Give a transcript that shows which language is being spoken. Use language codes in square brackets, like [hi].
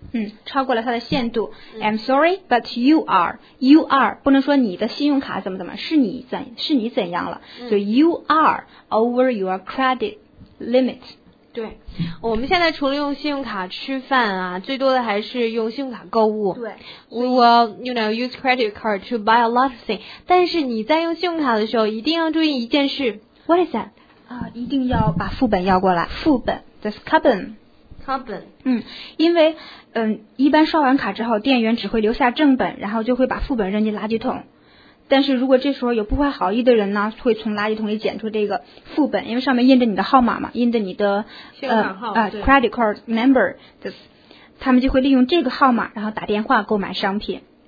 [zh] 嗯，超过了它的限度。 [en] I'm sorry, but you are [zh] 不能说你的信用卡怎么是你怎样了，所以、 [en] you are over your credit limit。 [zh] 对，我们现在除了用信用卡吃饭啊，最多的还是用信用卡购物。对 [en] ，we will you know use credit card to buy a lot of things。 [zh] 但是你在用信用卡的时候，一定要注意一件事。 [en] What is that？ [zh] 一定要把副本要过来，副本 ， [en] this carbon。 carbon。 [zh] 因为一般刷完卡之后，店员只会留下正本，然后就会把副本扔进垃圾桶。但是如果这时候有不怀好意的人呢，会从垃圾桶里捡出这个副本，因为上面印着你的号码嘛，印着你的credit card number， 他们就会利用这个号码，然后打电话购买商品。